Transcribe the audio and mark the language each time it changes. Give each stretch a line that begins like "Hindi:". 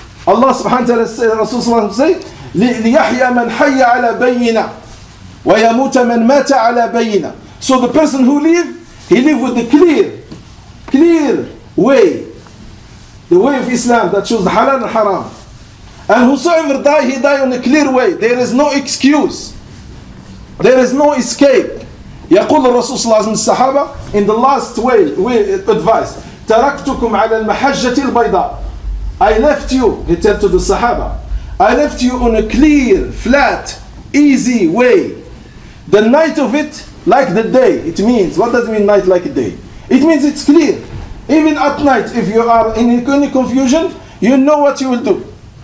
Arabic: Allah subhanahu wa ta'ala, Rasulullah said, لِيَحْيَا مَنْ حَيَّ عَلَى بَيِّنَا وَيَمُوتَ مَنْ مَاتَ عَلَى بَيِّنَا.
English: So the person who lives, he lives with the clear way. The way of Islam that shows the halal and haram. And whosoever die, he die on a clear way. There is no excuse. There is no escape.
Arabic: يقول الرسول صلى الله عليه وسلم الصحابة
English: in the last way advice
Arabic: تركتكم على المحجة البيضاء.
English: I left you, he said to the Sahaba, I left you on a clear, flat, easy way. The night of it, like the day, it means, what does it mean night like a day? It means it's clear. Even at night, if you are in any confusion, you know what you will do.